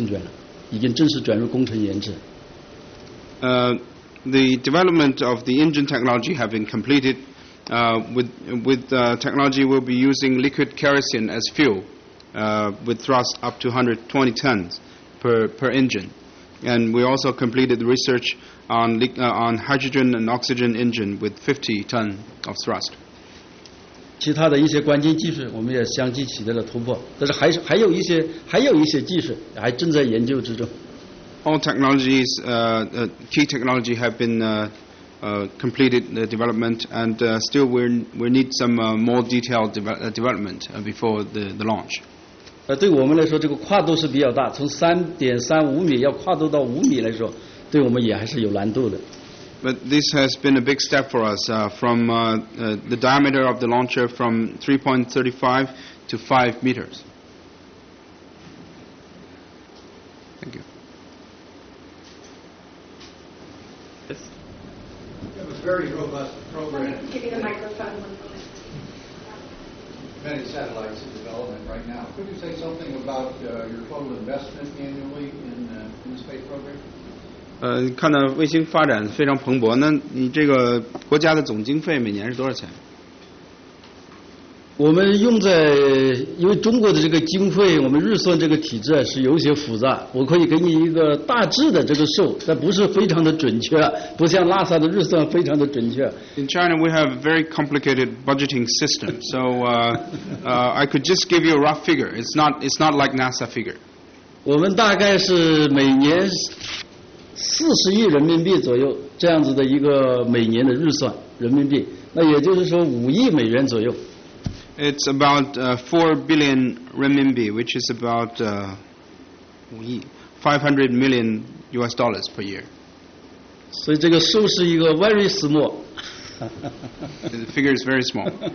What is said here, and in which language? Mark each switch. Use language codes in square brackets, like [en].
[zh] 这个它的发动机的技术，我们全部已经攻关，已经基本上取得了突破。主要是没有液氧煤油发动机120吨的推力的，还有50吨氢氧的这两种发动机，我们已经取得了突破性的进展了，已经正式转入工程研制。 [en] The development of the engine technology have been completed. With technology, we'll be using liquid kerosene as fuel, with thrust up to 120 tons per engine. And we also completed the research on hydrogen and oxygen engine with 50 tons of thrust. [zh] 其他的一些关键技术，我们也相继取得了突破。但是还有一些技术还正在研究之中。 [en] All technologies, key technology, have been completed the development, and still we need some more detailed development before the launch. [zh] 对我们来说，这个跨度是比较大，从3.35米要跨度到5米来说，对我们也还是有难度的。 [en] But this has been a big step for us from the diameter of the launcher from 3.35 to 5 meters. Thank you. Yes? We have a very robust program. Let me give you the microphone one moment. Many satellites in development right now. Could you say something about your total investment annually in the space program? [zh] 看到卫星发展非常蓬勃， 那你这个国家的总经费每年是多少钱？我们用在， 因为中国的这个经费， 我们日算这个体制， 是有些复杂， 我可以给你一个大致的这个数， 但不是非常的准确， 不像拉萨的日算非常的准确。 [en] In China, we have a very complicated budgeting system. So I could just give you a rough figure. It's not like NASA figure. [zh] 我们大概是每年 40亿人民币左右， 这样子的一个每年的日算， 人民币， 那也就是说5亿美元左右。 [en] It's about 4 billion renminbi, which is about 500 million US dollars per year. [zh] 所以这个数是一个 [en] very small. The figure is very small.